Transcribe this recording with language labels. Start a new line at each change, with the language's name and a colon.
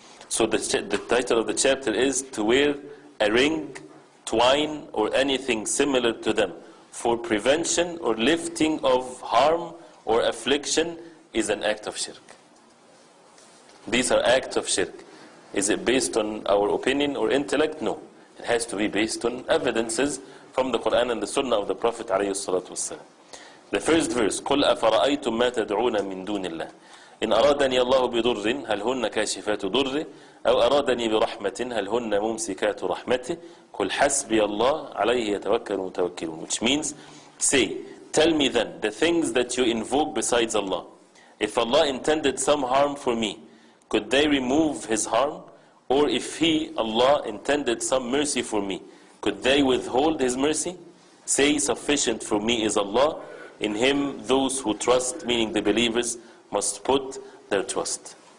English: So the title of the chapter is to wear a ring, twine, or anything similar to them for prevention or lifting of harm or affliction is an act of shirk. These are acts of shirk. Is it based on our opinion or intellect? No. It has to be based on evidences from the Quran and the Sunnah of the Prophet ﷺ. The first verse,
Arabic: قُلْ أَفَرَأَيْتُمْ مَا تَدْعُونَ مِنْ دُونِ اللَّهِ إِنْ أَرَادَنِيَ اللَّهُ بِضُرٍّ هَلْ هُنَّ كَاشِفَاتُ ضُرِّهِ أَوْ أَرَادَنِي بِرَحْمَةٍ هَلْ هُنَّ مُمْسِكَاتُ رَحْمَتِهِ قُلْ حَسْبِيَ اللَّهُ عَلَيْهِ يَتَوَكَّلُ الْمُتَوَكِّلُونَ.
English: Which means, say, tell me then the things that you invoke besides Allah. If Allah intended some harm for me, could they remove His harm? Or if He, Allah, intended some mercy for me, could they withhold His mercy? Say, sufficient for me is Allah. In Him, those who trust, meaning the believers, must put their trust.